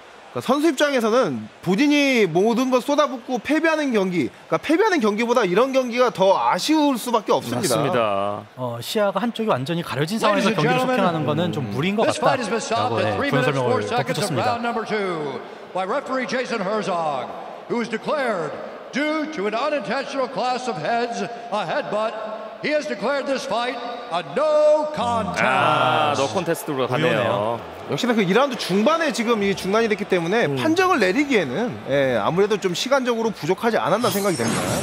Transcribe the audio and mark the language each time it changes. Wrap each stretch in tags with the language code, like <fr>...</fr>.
<ko>그러니까 선수 입장에서는 본인이 모든 걸 쏟아붓고 패배하는 경기, 그러니까 패배하는 경기보다 이런 경기가 더 아쉬울 수밖에 없습니다. 맞습니다. 시야가 한쪽이 완전히 가려진 상황에서 경기를 속행하는 것은 좀 무리인 것 같다라고 그런 설명을 덧붙였습니다.</ko> <en>By referee Jason Herzog, who is declared due to an unintentional clash of heads, a headbutt, he has declared this fight a no contest.</en> <ko>아, 노 콘테스트로 갔네요. 역시나 그 2라운드 중반에 지금 이 중단이 됐기 때문에 판정을 내리기에는 아무래도 좀 시간적으로 부족하지 않았나 생각이 됩니다.</ko>